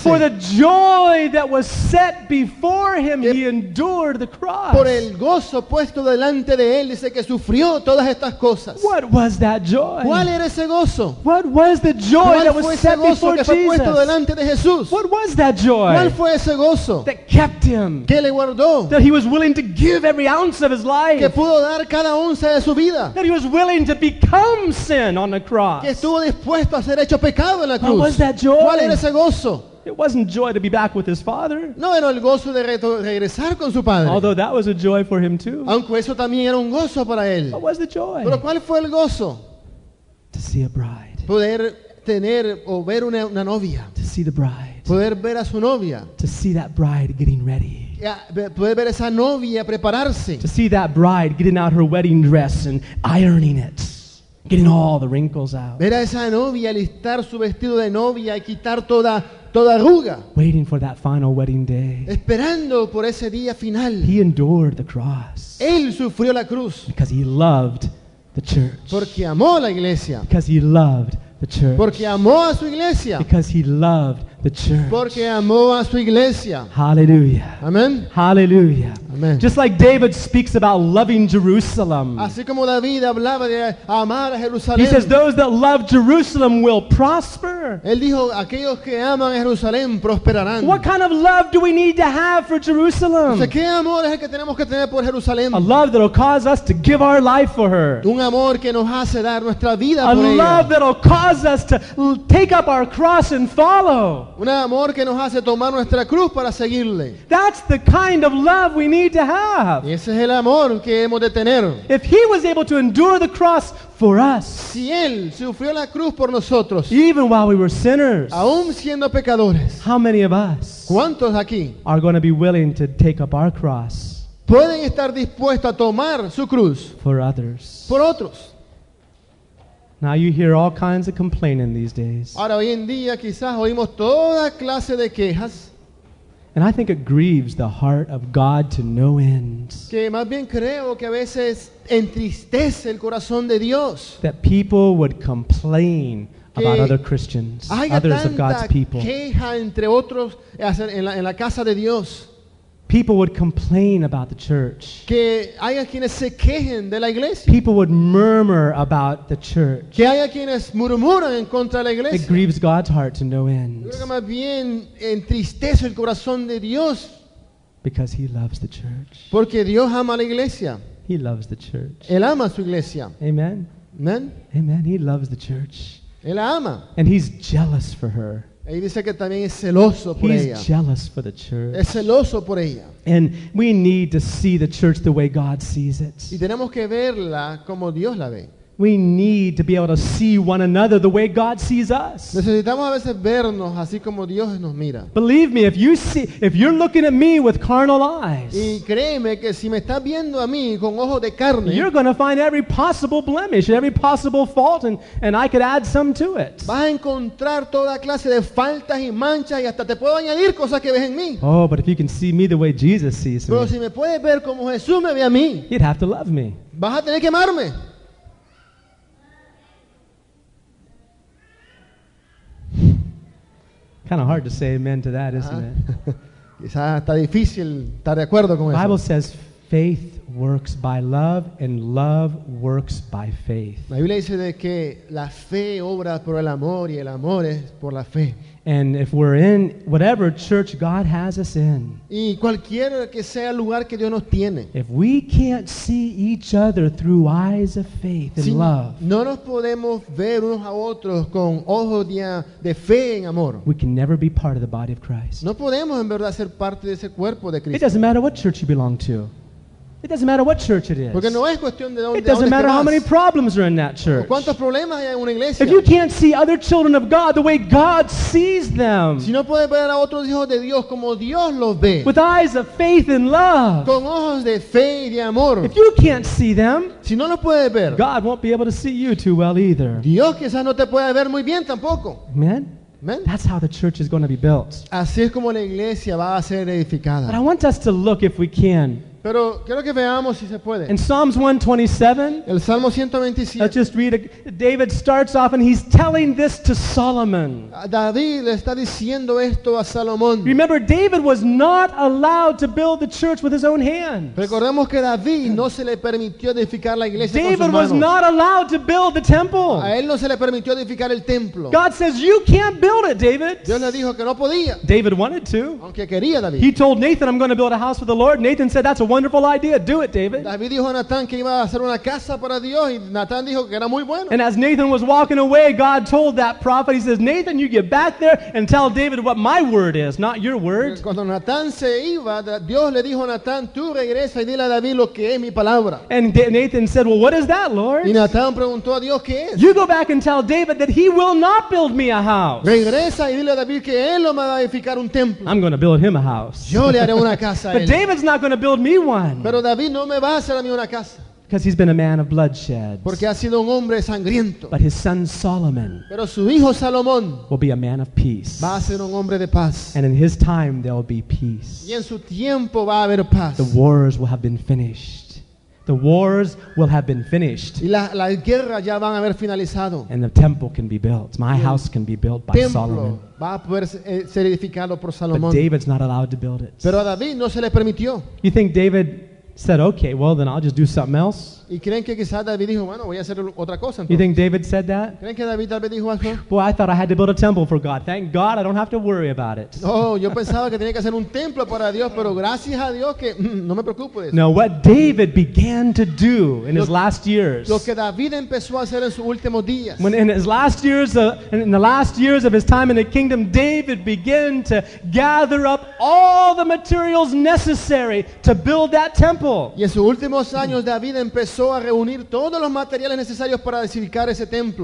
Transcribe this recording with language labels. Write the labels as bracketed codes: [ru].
[en] For the joy that was set before him, he endured the cross. [es] Por el gozo puesto delante de él, dice que sufrió todas estas cosas. [en] What was that joy? [es] ¿Cuál era ese gozo? [en] What was the joy that was set before Jesus? [es] ¿Cuál fue ese gozo que fue puesto delante de Jesús? [en] What was that joy? [es] ¿Cuál fue ese gozo? [en] That kept him. [es] Que le guardó. [en] That he was willing to give every ounce of his life. [es] Que pudo dar cada onza de su vida. [en] That he was willing to become sin on the cross. [es] Que estuvo dispuesto a ser hecho pecado en la cruz. [en] What was that joy? [es] ¿Cuál era ese gozo? [en] It wasn't joy to be back with his father. [es] No, era el gozo de regresar con su padre. [en] Although that was a joy for him too. [es] Aunque eso también era un gozo para él. [en] What was the joy? [es] Pero ¿cuál fue el gozo? [en] To see a bride. [es] Poder tener o ver una novia. [en] To see the bride. [es] Poder ver a su novia. [en] To see that bride getting ready. [es] Poder ver esa novia prepararse. [en] To see that bride getting out her wedding dress and ironing it. Getting all the wrinkles out. [es] Ver a esa novia alistar su vestido de novia y quitar toda arruga. [en] Waiting for that final wedding day. [es] Esperando por ese día final. [en] He endured the cross. [es] Él sufrió la cruz. [en] Because he loved the church. [es] Porque amó la iglesia. [en] Because he loved the church. [es] Porque amó a su iglesia. [en] Because he loved the church. [es] Porque amó a su iglesia. Hallelujah. Amen. Hallelujah. Amen. [en] Just like David speaks about loving Jerusalem. [es] Así como David hablaba de amar a Jerusalén. He says those that love Jerusalem will prosper. Él dijo, aquellos que aman a Jerusalén prosperarán. What kind of love do we need to have for Jerusalem? O sea, ¿qué amor es el que tenemos que tener por Jerusalén? A love that will cause us to give our life for her. Un amor que nos hace dar nuestra vida a por ella. [en] A love that will cause us to take up our cross and follow. [es] Un amor que nos hace tomar nuestra cruz para seguirle. [en] That's the kind of love we need to have. [es] Y ese es el amor que hemos de tener. [en] If he was able to endure the cross for us, [es] si él sufrió la cruz por nosotros, [en] even while we were sinners, [es] aún siendo pecadores, [en] how many of us, [es] ¿cuántos aquí, [en] are going to be willing to take up our cross, [es] pueden estar dispuestos a tomar su cruz, [en] for others, [es] por otros? [en] Now you hear all kinds of complaining these days. [es] Ahora hoy en día quizás oímos toda clase de quejas. [en] And I think it grieves the heart of God to no end. [es] Que más bien creo que a veces entristece el corazón de Dios. [en] That people would complain about other Christians, others of God's people. [es] Queja entre otros en la casa de Dios. [en] People would complain about the church. [es] Que haya quienes se quejen de la iglesia. [en] People would murmur about the church. [es] Que haya quienes murmuran en contra de la iglesia. [en] It grieves God's heart to no end. [es] Pero más bien entristece el corazón de Dios. [en] Because he loves the church. [es] Porque Dios ama la iglesia. [en] He loves the church. [es] Él ama su iglesia. Amen. Amen. [en] Amen. He loves the church. [es] Él ama. [en] And he's jealous for her. [es] Y dice que también es celoso por [en] He's [es] ella. [en] He's jealous for the church. [es] Es celoso por ella. [en] And we need to see the church the way God sees it. [es] Y tenemos que verla como Dios la ve. [en] We need to be able to see one another the way God sees us. [es] Necesitamos a veces vernos así como Dios nos mira. [en] Believe me, if you're looking at me with carnal eyes, [es] y créeme que si me estás viendo a mí con ojos de carne, [en] you're going to find every possible blemish, every possible fault, and I could add some to it. [es] Vas a encontrar toda clase de faltas y manchas y hasta te puedo añadir cosas que ves en mí. [en] Oh, but if you can see me the way Jesus sees me, [es] pero si me puedes ver como Jesús me ve a mí, [en] you'd have to love me. [es] Vas a tener que amarme. [en] Kind of hard to say amen to that, isn't it? [es] Quizá está difícil estar de acuerdo con eso. [en] The Bible says faith works by love and love works by faith. [es] La Biblia dice de que la fe obra por el amor y el amor es por la fe. [en] And if we're in whatever church God has us in, [es] y cualquiera que sea el lugar que Dios nos tiene, [en] if we can't see each other through eyes of faith and [es] si [en] love, [es] no nos podemos ver unos a otros con ojos de fe en amor, [en] we can never be part of the body of Christ. [es] No podemos en verdad ser parte de ese cuerpo de Cristo. [en] It doesn't matter what church you belong to. It doesn't matter what church it is. [es] Porque no es cuestión de dónde, [en] it doesn't matter how many problems are in that church. [es] O cuántos problemas hay en una iglesia. [en] If you can't see other children of God the way God sees them, [es] si no puedes ver a otros hijos de Dios como Dios los ve, [en] with eyes of faith and love, [es] con ojos de fe y de amor, [en] if you can't see them, [es] si no los puedes ver, [en] God won't be able to see you too well either. [es] Dios quizás no te pueda ver muy bien tampoco. Amen. Amen. [en] That's how the church is going to be built. [es] Así es como la iglesia va a ser edificada. [en] But I want us to look, if we can, [es] pero quiero que veamos si se puede. [en] In Psalms 127, [es] el Salmo 127, [en] let's just read, David starts off and he's telling this to Solomon. [es] David está diciendo esto a Salomón. [en] Remember, David was not allowed to build the church with his own hands. [es] Recordemos que David no se le permitió edificar la iglesia David con sus manos. [en] Was not allowed to build the temple. [es] A él no se le permitió edificar el templo. [en] God says, you can't build it, David. [es] Dios le dijo que no podía. [en] David wanted to. [es] Aunque quería, David. [en] He told Nathan, I'm going to build a house for the Lord. Nathan said, that's a wonderful idea. Do it, David. [es] David dijo a Natán que iba a hacer una casa para Dios y Natán dijo que era muy bueno. [en] And as Nathan was walking away, God told that prophet, he says, Nathan, you get back there and tell David what my word is, not your word. [es] Cuando Natán se iba, Dios le dijo a Natán, tú regresa y dile a David lo que es mi palabra. [en] And Nathan said, well, what is that, Lord? [es] Y Natán preguntó a Dios, ¿qué es? [en] You go back and tell David that he will not build me a house. [es] Regresa y dile a David que él no me va a edificar un templo. [en] I'm going to build him a house. [es] Yo le haré una casa a él. [en] But David's not going to build me one. [es] Pero David no me va a hacer a mí una casa. [en] Because he's been a man of bloodshed. [es] Porque ha sido un hombre sangriento. [en] But his son Solomon, [es] pero su hijo Salomón, [en] will be a man of peace. [es] Va a ser un hombre de paz. [en] And in his time there will be peace. [es] Y en su tiempo va a haber paz. [en] The wars will have been finished. The wars will have been finished. [es] Y la guerra ya van a haber finalizado. [en] And the temple can be built. My house can be built by Solomon. [es] Va a poder ser edificado por Salomón. [en] But David's not allowed to build it. [es] Pero a David no se le permitió. [en] You think David said, okay, well then I'll just do something else? [es] ¿Y creen que quizá David dijo, bueno, voy a hacer otra cosa entonces? [en] You think David said that? [es] ¿Creen que David tal vez dijo algo? [en] Boy, I thought I had to build a temple for God. Thank God I don't have to worry about it. [es] Oh, yo pensaba que tenía que hacer un templo para Dios, pero gracias a Dios que no me preocupo de eso. [en] No, what David began to do in his last years. [es] Lo que David empezó a hacer en sus últimos días. [en] When in his last years, in the last years of his time in the kingdom, David began to gather up all the materials necessary to build that temple. [es] Y en sus últimos años, David empezó a reunir todos los materiales necesarios para edificar ese templo.